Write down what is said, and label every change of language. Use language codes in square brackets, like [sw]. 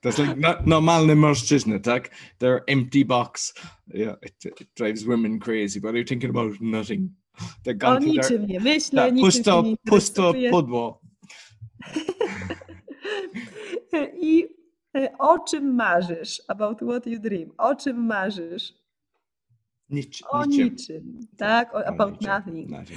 [en] That's like [pl] normalny mężczyzna, tak? [en] Their empty box. [pl] Yeah, it drives women crazy. But are you thinking about nothing? [en] They're gone. [pl] O niczym nie myślę, niczym pusto, się nie pusto pudło. I o czym marzysz? [en] About what you dream. [pl] O czym marzysz? O niczym, tak? [en] About nothing.